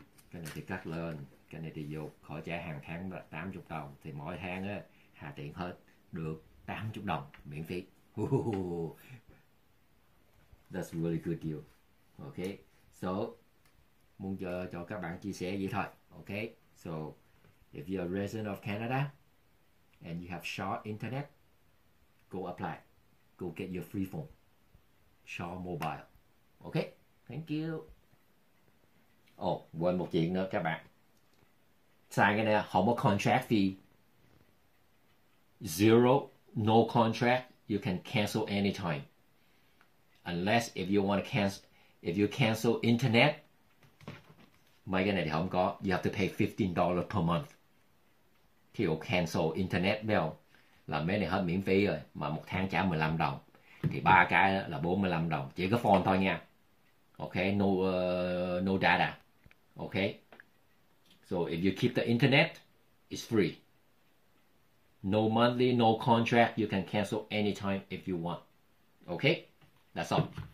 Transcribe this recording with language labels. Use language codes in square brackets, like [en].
[vi] Cái này thì cắt lên, cái này thì vô, khỏi trả hàng tháng 80 đồng thì mỗi tháng á hạ tiền hết được 80 đồng miễn phí. [en] That's really good deal. Okay. So, [vi] muốn cho các bạn chia sẻ vậy thôi. [en] Okay. So, if you're a resident of Canada and you have Shaw Internet, go apply. Go get your free phone. Shaw Mobile. Okay. Thank you. [vi] Oh, quên một chuyện nữa các bạn. Sign cái này, không có contract fee. [en] Zero, no contract. You can cancel anytime. Unless if you want to cancel, if you cancel internet, [vi] mấy cái này thì không có. [en] You have to pay $15 per month. [vi] Thì [en] you cancel internet bill [vi] là mấy này hết miễn phí rồi, mà một tháng trả 15 đồng. Thì ba cái là 45 đồng, chỉ có phone thôi nha. [en] Ok, no no data. Ok. So if you keep the internet, it's free. No monthly, no contract. You can cancel anytime if you want. Okay? That's all.